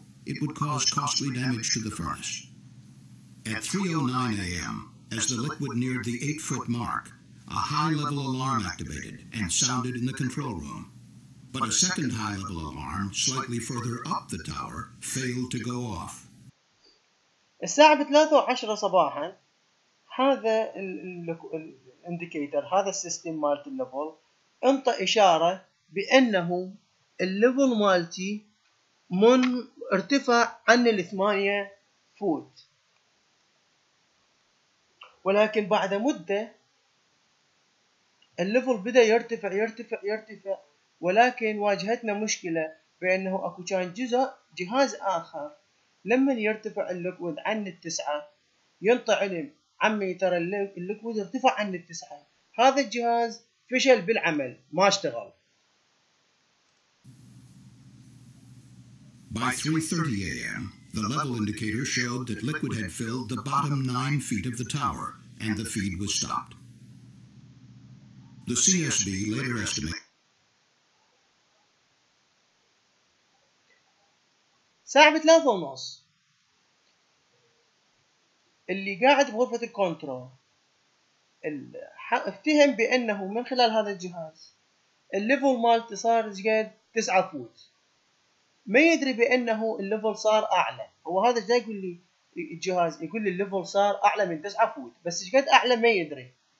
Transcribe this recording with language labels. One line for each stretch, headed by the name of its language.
English: It would cause costly damage to the furnace. At 3:09 a.m., as the liquid neared the 8-foot mark, a high-level alarm activated and sounded in the control room. But a second high-level alarm, slightly further up the tower, failed to go off.
Arabic: الساعة 3:10 صباحا هذا الانديكيتر هذا السيستم مالت الليفل انطى إشارة بأنه الليفل مالتي من ارتفع عن 8 فوت ولكن بعد مدة الليفل بدأ يرتفع يرتفع يرتفع ولكن واجهتنا مشكلة بأنه اكو كان جزء جهاز آخر لما يرتفع الليكويد عن 9 ينطي علم عمي ترى الليكويد ارتفع عن 9 هذا الجهاز فشل بالعمل ما اشتغل.
English: By 3:30 a.m. the level indicator showed that liquid had filled the bottom 9 feet of the tower and the feed was stopped. The CSB later estimated
Arabic: ساعة 3:30 اللي قاعد بغرفة الكنترول افتهم بأنه من خلال هذا الجهاز الليفل مالتي صار زياد 9 فوت ما يدري بأنه الليفل صار أعلى هو هذا جاي يقول لي الجهاز يقول لي الليفل صار أعلى من 9 فوت بس زياد أعلى ما يدري.